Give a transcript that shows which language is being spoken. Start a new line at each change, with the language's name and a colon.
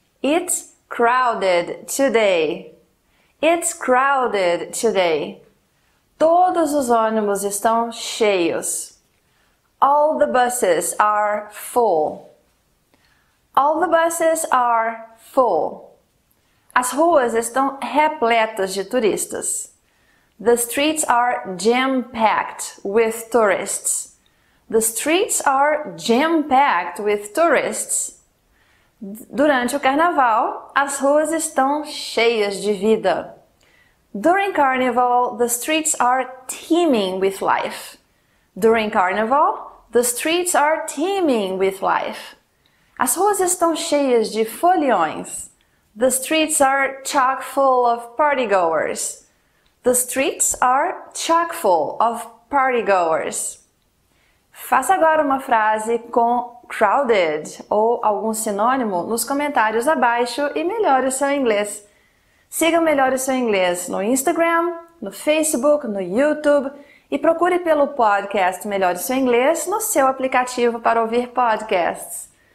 English: It's crowded today. It's crowded today.
Portuguese: Todos os ônibus estão cheios.
English: All the buses are full. All the buses are full.
Portuguese: As ruas estão repletas de turistas.
English: The streets are jam-packed with tourists. The streets are jam-packed with tourists.
Portuguese: Durante o carnaval, as ruas estão cheias de vida.
English: During carnival, the streets are teeming with life. During carnival, the streets are teeming with life.
Portuguese: As ruas estão cheias de foliões.
English: The streets are chock full of partygoers. The streets are chock full of partygoers.
Portuguese: Faça agora uma frase com crowded ou algum sinônimo nos comentários abaixo e melhore o seu inglês. Siga o Melhore o Seu Inglês no Instagram, no Facebook, no YouTube e procure pelo podcast Melhore o Seu Inglês no seu aplicativo para ouvir podcasts.